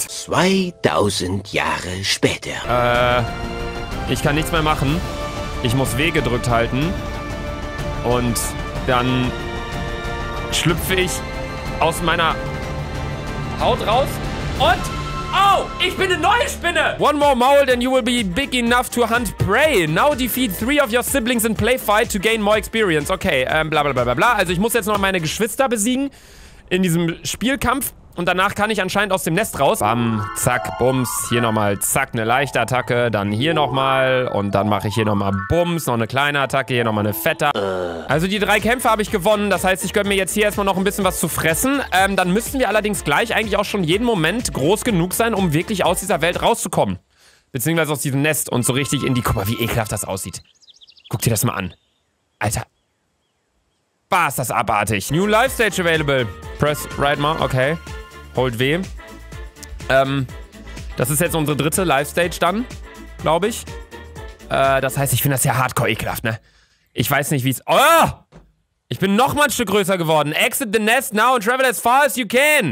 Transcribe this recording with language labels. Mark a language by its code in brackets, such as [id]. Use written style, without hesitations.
[de] 2000 Jahre später. Ich kann nichts mehr machen. Ich muss W gedrückt halten. Und dann schlüpfe ich aus meiner Haut raus und... Au! Oh, ich bin eine neue Spinne! [en] One more mold and you will be big enough to hunt prey. Now defeat 3 of your siblings in play fight to gain more experience. [de] Okay, bla bla bla bla bla. Also ich muss jetzt noch meine Geschwister besiegen in diesem Spielkampf und danach kann ich anscheinend aus dem Nest raus. Bam, zack, bums. Hier nochmal, zack, eine leichte Attacke. Dann hier nochmal und dann mache ich hier nochmal bums. Noch eine kleine Attacke, hier nochmal eine fette. Also die 3 Kämpfe habe ich gewonnen. Das heißt, ich gönne mir jetzt hier erstmal noch ein bisschen was zu fressen. Dann müssten wir allerdings gleich eigentlich auch schon jeden Moment groß genug sein, um wirklich aus dieser Welt rauszukommen. Beziehungsweise aus diesem Nest und so richtig in die... Guck mal, wie ekelhaft das aussieht. Guck dir das mal an. Alter. Bah, ist das abartig. [en] New Life Stage available. Press right mal, okay. Hold W. [de] Das ist jetzt unsere 3. Live-Stage dann, glaube ich. Das heißt, ich finde das ja hardcore ekelhaft, ne? Ich weiß nicht, wie es... Oh! Ich bin noch mal ein Stück größer geworden. [en] Exit the nest now and travel as far as you can.